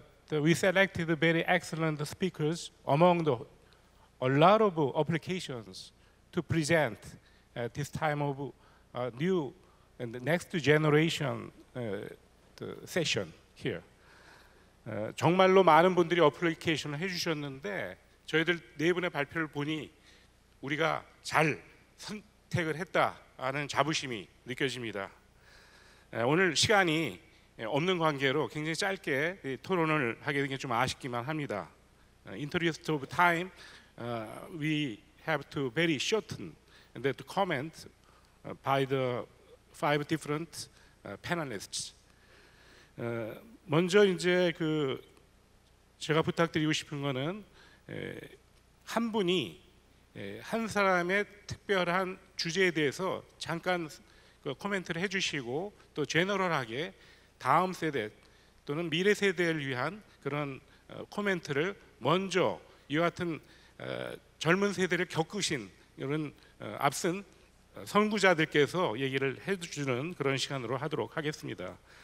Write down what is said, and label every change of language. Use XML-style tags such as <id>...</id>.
<en>we selected very excellent speakers among the a lot of applications to present at this time of new and the next generation the session here.</en> <ko>정말로 많은 분들이 어플리케이션을 해주셨는데 저희들 네 분의 발표를 보니 우리가 잘 선택을 했다라는 자부심이 느껴집니다. 오늘 시간이 없는 관계로 굉장히 짧게 토론을 하게 된 게 좀 아쉽기만 합니다.</ko> <en>Interest of time, we have to very shorten that comment by the five different panelists.</en> <ko>먼저 이제 그 제가 부탁드리고 싶은 거는 한 분이 한 사람의 특별한 주제에 대해서 잠깐 그 코멘트를 해주시고 또 제너럴하게 다음 세대 또는 미래 세대를 위한 그런 코멘트를 먼저 이와 같은 젊은 세대를 겪으신 이런 앞선 선구자들께서 얘기를 해주는 그런 시간으로 하도록 하겠습니다.</ko>